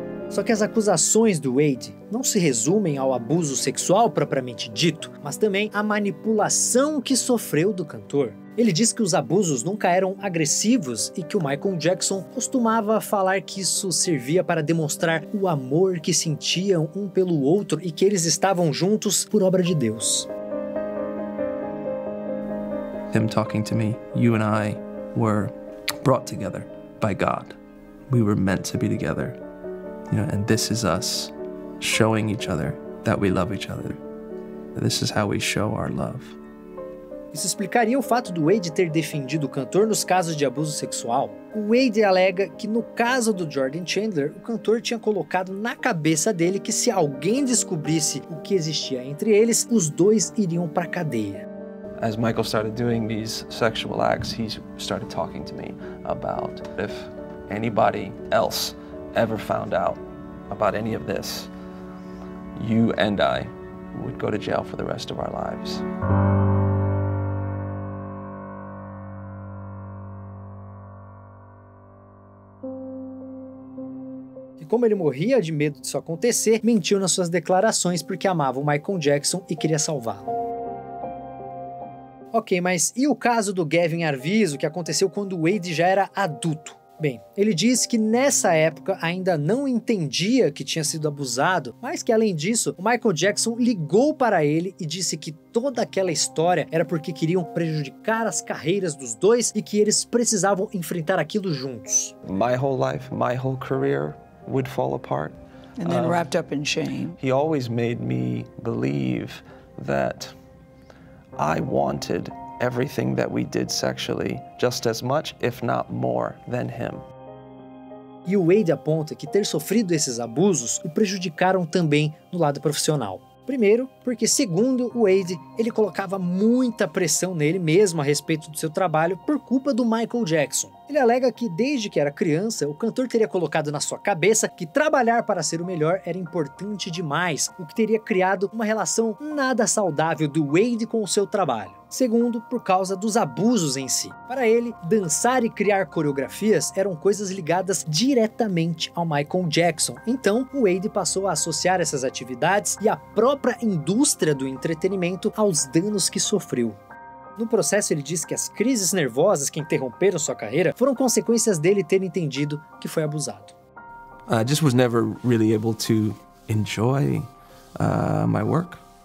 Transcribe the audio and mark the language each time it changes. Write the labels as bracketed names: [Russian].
[Portuguese] Só que as acusações do Wade não se resumem ao abuso sexual propriamente dito, mas também à manipulação que sofreu do cantor. Ele diz que os abusos nunca eram agressivos e que o Michael Jackson costumava falar que isso servia para demonstrar o amor que sentiam um pelo outro e que eles estavam juntos por obra de Deus. [English] Him talking to me, you and I were brought together by God. We were meant to be together. You know, and this is us showing each other that we love each other. This is how we show our love. [Portuguese] Isso explicaria o fato do Wade ter defendido o cantor nos casos de abuso sexual. O Wade alega que no caso do Jordan Chandler, o cantor tinha colocado na cabeça dele que se alguém descobrisse o que existia entre eles, os dois iriam para a cadeia. [English] As Michael started doing these sexual acts, he started talking to me about if anybody else ever found out about any of this, you and I would go to jail for the rest of our lives. [Portuguese] E como ele morria de medo disso acontecer, mentiu nas suas declarações porque amava o Michael Jackson e queria salvá-lo. Ok, mas e o caso do Gavin Arvizo, que aconteceu quando Wade já era adulto? Bem, ele disse que nessa época ainda não entendia que tinha sido abusado, mas que além disso, o Michael Jackson ligou para ele e disse que toda aquela história era porque queriam prejudicar as carreiras dos dois e que eles precisavam enfrentar aquilo juntos. [English] My whole life, my whole career would fall apart. And then wrapped up in shame. He always made me believe that I wanted everything that we did sexually, just as much, if not more, than him. [Portuguese] E o Wade aponta que ter sofrido esses abusos o prejudicaram também no lado profissional. Primeiro, porque segundo o Wade, ele colocava muita pressão nele mesmo a respeito do seu trabalho por culpa do Michael Jackson. Ele alega que desde que era criança, o cantor teria colocado na sua cabeça que trabalhar para ser o melhor era importante demais, o que teria criado uma relação nada saudável do Wade com o seu trabalho. Segundo, por causa dos abusos em si. Para ele, dançar e criar coreografias eram coisas ligadas diretamente ao Michael Jackson. Então, o Wade passou a associar essas atividades e a própria indústria do entretenimento aos danos que sofreu. No processo, ele diz que as crises nervosas que interromperam sua carreira foram consequências dele ter entendido que foi abusado. [English] I just was never really able to enjoy my work.